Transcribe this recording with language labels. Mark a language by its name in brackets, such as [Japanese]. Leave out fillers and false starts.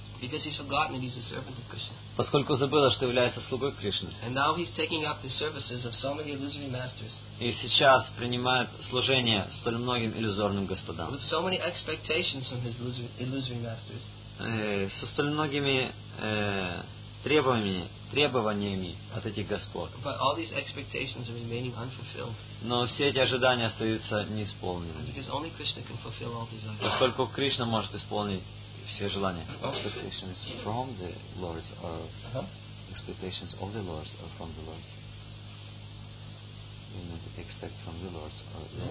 [English] Because he's forgotten that he's a servant of Krishna. [Russian] Поскольку забыло, что является слугой Кришны. [English] And now he's taking up the services of so many illusory masters. [Russian] И сейчас принимает служение столь многим иллюзорным господам. [English] With so many expectations from his illusory masters. [Russian] Со столь многими требованиями от этих господ. [English] But all these expectations are remaining unfulfilled. [Russian] Но все эти ожидания остаются неисполненными. [English] Because only Krishna can fulfill all desires. [Russian] Поскольку Кришна может исполнить все желания. [English] Expectations from the lords or expectations of the lords or from the lords. You need to expect from the lords or the